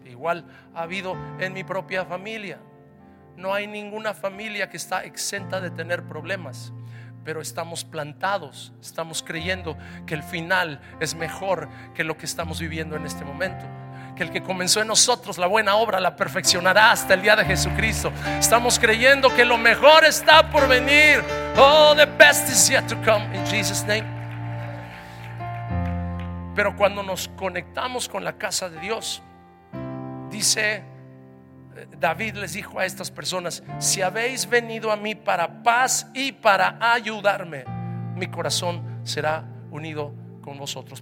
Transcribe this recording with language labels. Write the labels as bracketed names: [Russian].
[Spanish] Igual ha habido en mi propia familia. No hay ninguna familia que está exenta de tener problemas. Pero estamos plantados, estamos creyendo que el final es mejor que lo que estamos viviendo en este momento. Que el que comenzó en nosotros la buena obra la perfeccionará hasta el día de Jesucristo. Estamos creyendo que lo mejor está por venir. [English] Oh, the best is yet to come in Jesus' name. [Spanish] Pero cuando nos conectamos con la casa de Dios, dice David, les dijo a estas personas: si habéis venido a mí para paz y para ayudarme, mi corazón será unido con vosotros.